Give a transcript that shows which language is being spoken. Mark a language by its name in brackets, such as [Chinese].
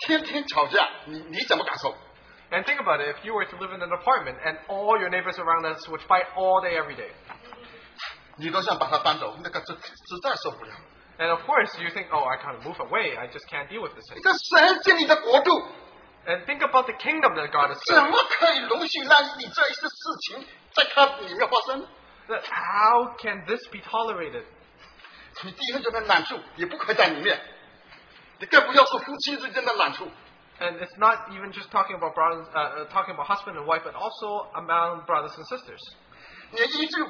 [Chinese] 你想想看,如果你住在一个公寓里面,你的邻居天天吵架,你怎么感受? [English] And think about it, if you were to live in an apartment and all your neighbors around us would fight all day every day. [Chinese] 你都想把它搬走,那个实在受不了。 [English] And of course, you think, oh, I can't move away. I just can't deal with this. And think about the kingdom that God has said. How can this be tolerated? And it's not even just talking about brothers, talking about husband and wife, but also among brothers and sisters.